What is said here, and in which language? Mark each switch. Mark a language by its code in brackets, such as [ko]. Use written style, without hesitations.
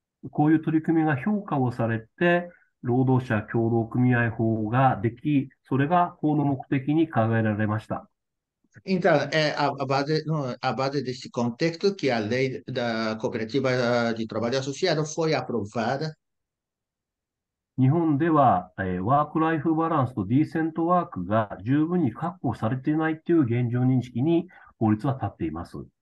[ja] こういう取り組みが評価をされて、労働者協同組合法ができ、それが法の目的に考えられました。 [pt] Então, é a base deste contexto que a lei da cooperativa de trabalho associado foi aprovada. [ja] 日本では、ワークライフバランスとディーセントワークが十分に確保されていないという現状認識に法律は立っています。